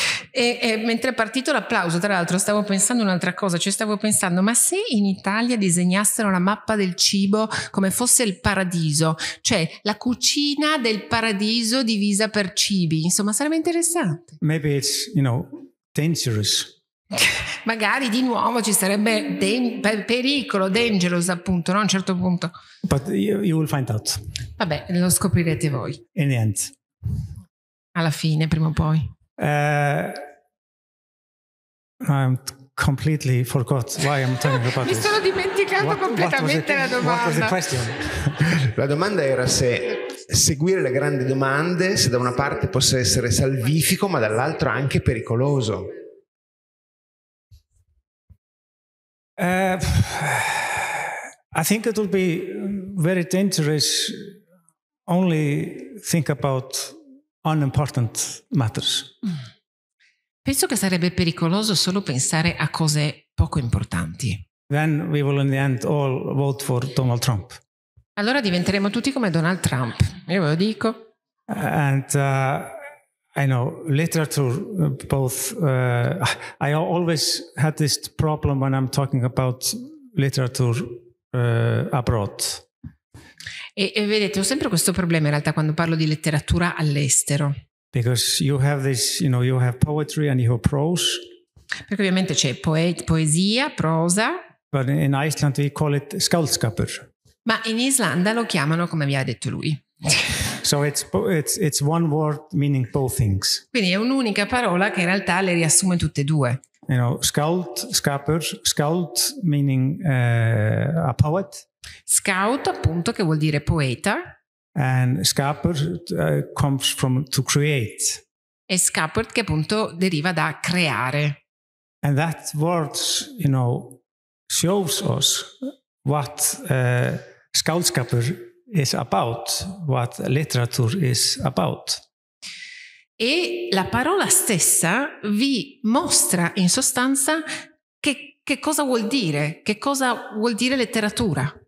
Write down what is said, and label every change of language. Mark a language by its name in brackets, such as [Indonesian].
[Italian] E mentre è partito l'applauso, tra l'altro, stavo pensando un'altra cosa, cioè stavo pensando, ma se in Italia disegnassero la mappa del cibo come fosse il paradiso, cioè la cucina del paradiso divisa per cibi, insomma, sarebbe interessante. [English] Maybe it's, you know, dangerous. [Italian] Magari di nuovo ci sarebbe pericolo, dangerous appunto, no? A un certo punto. [English] But you will find out. [Italian] Vabbè, lo scoprirete voi. [English] In the end. [Italian] Alla fine, prima o poi. [English] I'm completely forgot why I'm talking about this. [Italian] Mi sono dimenticato completamente la domanda. [English] What was the question? [Italian] La domanda era se seguire le grandi domande, se da una parte possa essere salvifico, ma dall'altra anche pericoloso. [English] I think it will be very dangerous only think about unimportant matters. [Italian] Penso che sarebbe pericoloso solo pensare a cose poco importanti. [English] Then we will in the end all vote for Donald Trump. [Italian] Allora diventeremo tutti come Donald Trump, io ve lo dico. [English] And I know literature both I always had this problem when I'm talking about literature abroad. [Italian] E vedete, ho sempre questo problema in realtà quando parlo di letteratura all'estero. [English] Because you have this, you know, you have poetry and you have prose. [Italian] Perché ovviamente c'è poesia, prosa. [English] But in Iceland we call it skaldskapur. [Italian] Ma in Islanda lo chiamano come vi ha detto lui. [English] So it's one word meaning both things. [Italian] Quindi è un'unica parola che in realtà le riassume tutte e due. [English] You know, skaldskapur, skald meaning a poet. [Italian] Scout, appunto, che vuol dire poeta. [English] And scapper comes from to create. [Italian] E scapper, che appunto deriva da creare. [English] And that word, you know, shows us what scoutscapper is about, what literature is about. [Italian] E la parola stessa vi mostra in sostanza che cosa vuol dire, che cosa vuol dire letteratura.